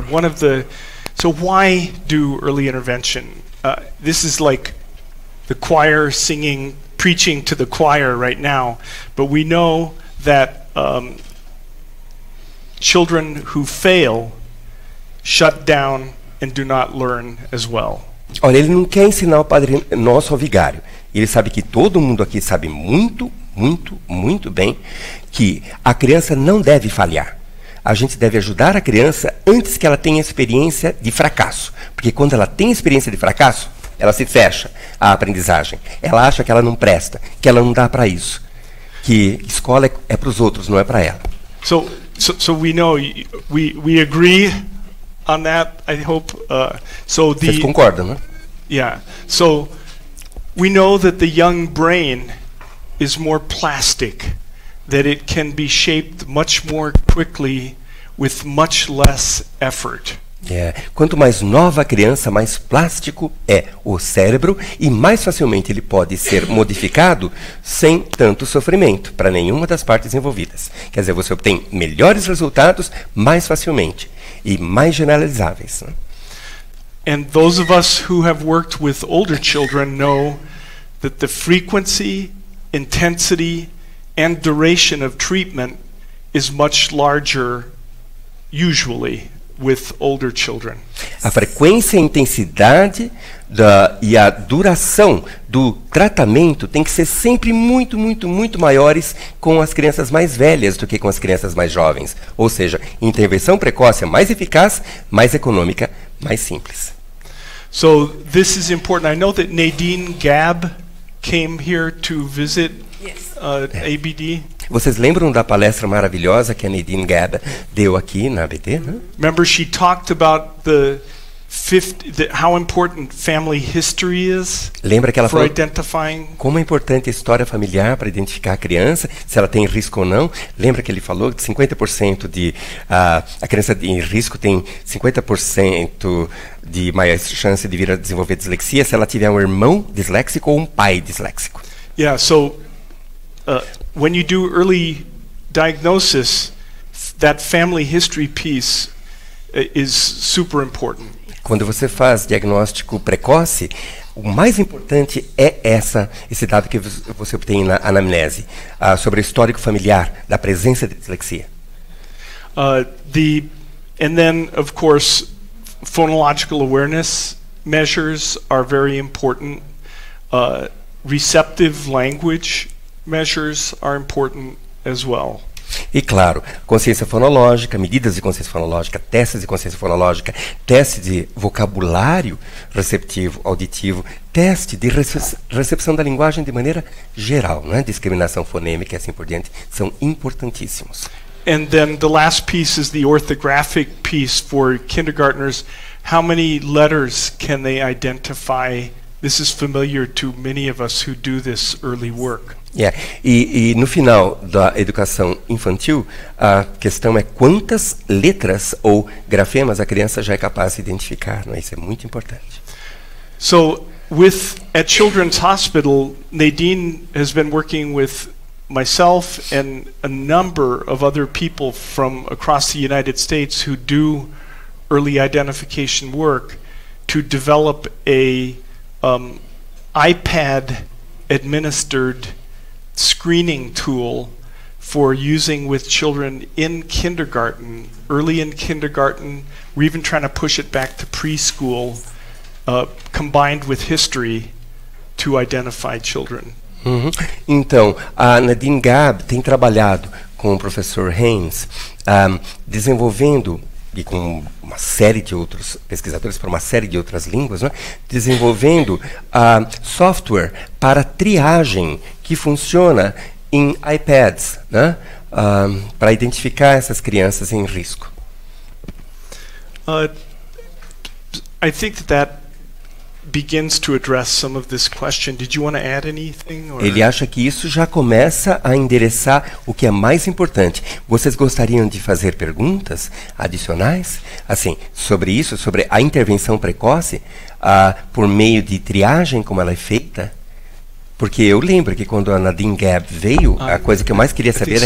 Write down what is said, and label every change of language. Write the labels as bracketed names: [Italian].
[English] Why do early intervention? This is like the choir singing, preaching to the choir right now, but we know that children who fail shut down and do not learn as well. [Portuguese] Olha, ele não quer ensinar o Padre Nosso ao vigário. Ele sabe que todo mundo aqui sabe muito, muito, muito bem que a criança não deve falhar. A gente deve ajudar a criança antes que ela tenha experiência de fracasso. Porque quando ela tem experiência de fracasso, ela se fecha à aprendizagem. Ela acha que ela não presta, que ela não dá para isso. Que escola é para os outros, não é para ela. [English] So we know, we agree on that, I hope. [Portuguese] Vocês concordam, né? [English] Yeah. So we know that the young brain is more plastic, that it can be shaped much more quickly with much less effort. Yeah. [Portuguese] Quanto mais nova a criança, mais plástico é o cérebro e mais facilmente ele pode ser modificado sem tanto sofrimento para nenhuma das partes envolvidas. Quer dizer, você obtém melhores resultados mais facilmente e mais generalizáveis. [English] And those of us who have worked with older children know that the frequency, intensity and duration of treatment is much larger usually with older children. [Portuguese] A frequência, a intensidade e a duração do tratamento tem que ser sempre muito, muito, muito maiores com as crianças mais velhas do que com as crianças mais jovens. Ou seja, intervenção precoce é mais eficaz, mais econômica, mais simples. [English] So this is important. I know that Nadine Gabb came here to visit ABD. [Portuguese] Vocês lembram da palestra maravilhosa que a Nadine Gabb deu aqui na ABD? Né? [English] Remember she talked about the how important family history is. [Portuguese] Lembra que ela falou como é importante a história familiar para identificar a criança, se ela tem risco ou não? Lembra que ele falou que 50% de a criança em risco tem 50% de maior chance de vir a desenvolver dislexia se ela tiver um irmão disléxico ou um pai disléxico? [English] Yeah, so when you do early diagnosis, that family history piece is super important. [Portuguese] Quando você faz diagnóstico precoce, o mais importante é esse dado que você obtém na anamnese, sobre o histórico familiar da presença de dislexia. [English] And then, of course, phonological awareness measures are very important. Receptive language measures are important as well. [Portuguese] E claro, consciência fonológica, medidas de consciência fonológica, testes de consciência fonológica, teste de vocabulário receptivo, auditivo, teste de recepção da linguagem de maneira geral, né? Discriminação fonêmica e assim por diante, são importantíssimos. [English] And then the last piece is the orthographic piece for kindergartners. How many letters can they identify? This is familiar to many of us who do this early work. Yeah. [Portuguese] E no final da educação infantil, a questão é quantas letras ou grafemas a criança já é capaz de identificar, não é? Isso é muito importante. [English] So, with at Children's Hospital, Nadine has been working with myself and a number of other people from across the United States who do early identification work to develop a iPad administered screening tool for using with children in kindergarten, early in kindergarten. We're even trying to push it back to preschool, combined with history to identify children. Uhum. [Portuguese] Então, a Nadine Gabb tem trabalhado com o professor Haynes, desenvolvendo, e com uma série de outros pesquisadores para uma série de outras línguas, né? Desenvolvendo software para triagem que funciona em iPads, né? Para identificar essas crianças em risco. [English] I think that begins to address some of this question. Did you want to add anything? Or? [Portuguese] Ele acha que isso já começa a endereçar o que é mais importante. Vocês gostariam de fazer perguntas adicionais? Assim, sobre isso, sobre a intervenção precoce, por meio de triagem, como ela é feita? Porque eu lembro que quando a Nadine Gabb veio, a coisa que eu mais queria saber era